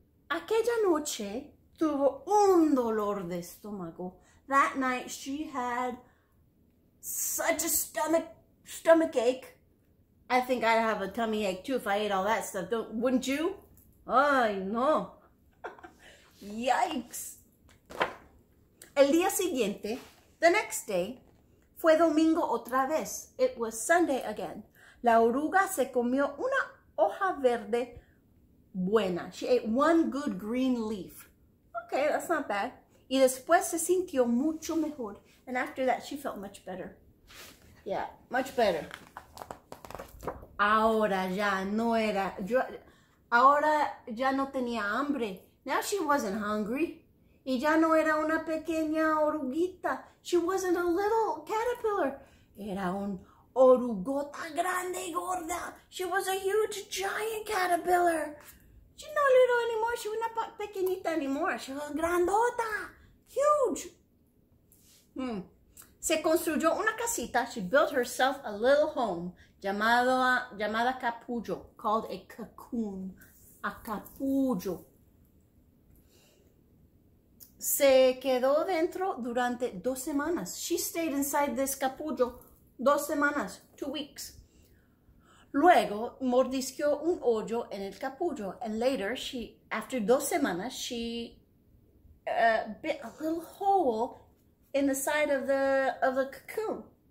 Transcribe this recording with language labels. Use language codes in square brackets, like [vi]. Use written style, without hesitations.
[es] Aquella noche tuvo un dolor de estómago. [en] That night she had such a stomach ache. I think I'd have a tummy ache too if I ate all that stuff. Wouldn't you? Ay, no. Yikes. [es] El día siguiente, [en] the next day, [es] fue domingo otra vez. [en] It was Sunday again. [es] La oruga se comió una hoja verde buena. [en] She ate one good green leaf. Okay, that's not bad. [es] Y después se sintió mucho mejor. [en] And after that, she felt much better. Yeah, much better. [es] Ahora ya no era. Ahora ya no tenía hambre. [en] Now she wasn't hungry. [es] Y ya no era una pequeña oruguita. [en] She wasn't a little caterpillar. [es] Era un orugota grande y gorda. [en] She was a huge, giant caterpillar. She no little anymore. She was not pequeñita anymore. She was grandota. Huge. [es] Se construyó una casita. [en] She built herself a little home. [es] Llamada capullo. [en] Called a cocoon. A capullo. [es] Se quedó dentro durante 2 semanas. [en] She stayed inside this [es] capullo 2 semanas. [en] 2 weeks. [es] Luego, mordisqueó un hoyo en el capullo. [en] And later, after [es] 2 semanas, [en] she bit a little hole in the side of the cocoon.